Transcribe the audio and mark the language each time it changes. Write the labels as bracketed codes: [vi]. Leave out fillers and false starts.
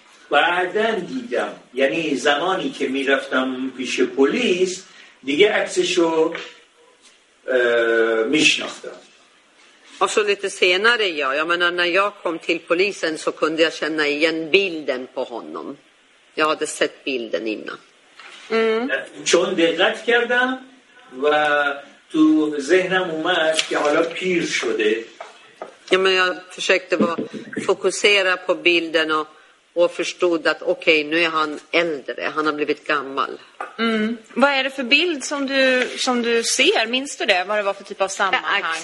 [fa] بعدن دیدم یعنی زمانی که میرفتم پیش پلیس دیگه عکسشو میشناختم. [sv] Och så lite senare, jag menar när jag kom till polisen så kunde jag känna igen bilden på honom. Jag hade sett bilden innan. [fa] چون دقت کردم و تو ذهنم اومد که حالا پیر شده. [sv] Ja, men jag försökte bara fokusera på bilden och förstod att okej, nu är han äldre, han har blivit gammal. Vad är det för bild som du ser? Minns du det? Vad det var för typ av sammanhang?